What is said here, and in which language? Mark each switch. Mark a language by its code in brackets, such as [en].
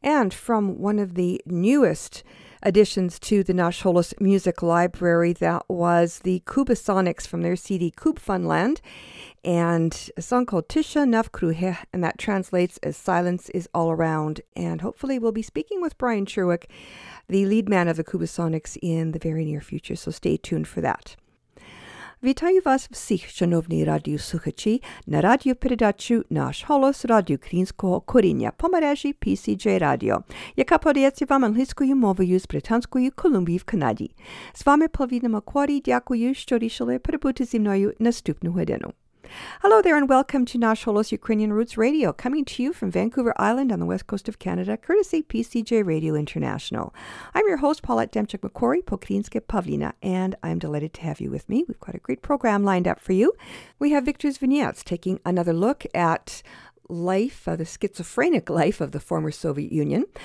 [en] From one of the newest additions to the Nash Holos Music Library, that was the Kubasonics from their CD Kubfunland, and a song called Tisha Navkruhe, and that translates as Silence is All Around. And hopefully we'll be speaking with Brian Cherwick, the lead man of the Kubasonics, in the very near future, so stay tuned for that. [uk] Вітаю вас всіх, шановні радіослухачі, на радіопередачу «Наш голос» радіо українського коріння по мережі PCJ Radio, яка подається вам англійською мовою з Британської Колумбії в Канаді. З вами Павлина Макуарі, дякую, що рішили перебути зі мною наступну годину. [en] Hello there and welcome to Nash Holos Ukrainian Roots Radio, coming to you from Vancouver Island on the west coast of Canada, courtesy PCJ Radio International. I'm your host, Paulette Demchuk-McCory, Pokrinske Pavlina, and I'm delighted to have you with me. We've got a great program lined up for you. We have Victor's Vignettes, taking another look at life, the schizophrenic life of the former Soviet Union.